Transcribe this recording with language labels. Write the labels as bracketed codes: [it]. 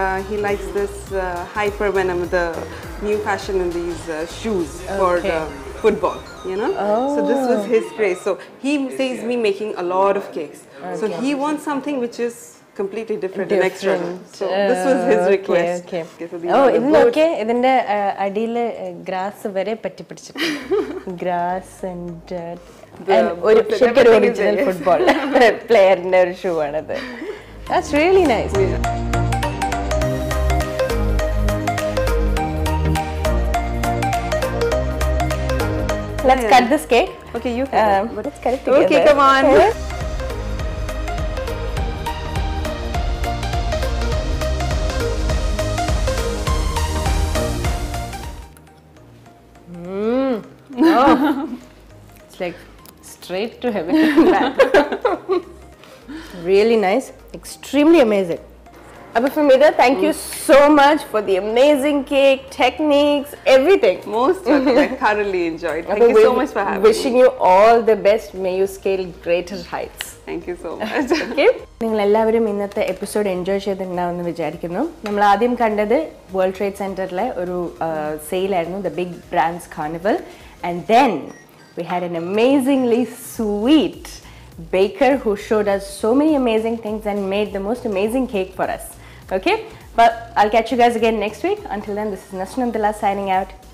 [en] He likes this hyper venom, the new fashion in these shoes for the football, you know. Oh. So this was his craze. So he sees me making a lot of cakes. Okay. So he wants something which is completely different. And extra. So this was his request. Okay. [ml] ഇതിന്റെ അടിയില് grass വരെ പറ്റി പിടിച്ചിട്ട് [en] grass and original football പ്ലെയറിന്റെ [ml] ഒരു shoe ആണത്. [en] That's really nice. Let's cut this cake. Okay, you cut it. But let's cut it together. Okay, come on. Oh. It's like straight to heaven. Really nice. Extremely amazing. Abhi Fumida, thank you so much for the amazing cake, techniques, everything. Most of it. I thoroughly enjoyed. Thank you so much for having me. Wishing you all the best. May you scale greater heights. Thank you so much. Okay. [ml] നിങ്ങൾ എല്ലാവരും ഇന്നത്തെ episode enjoy ചെയ്തിട്ടുണ്ടാവും എന്ന് വിചാരിക്കുന്നു. നമ്മൾ ആദ്യം കണ്ടത് world trade സെന്ററിലെ ഒരു സെയിലായിരുന്നു, the big brands carnival. [en] And then we had an amazingly sweet baker who showed us so many amazing things and made the most amazing cake for us. Okay, but I catch you guys again next week. Until then, this is Nasnandala signing out.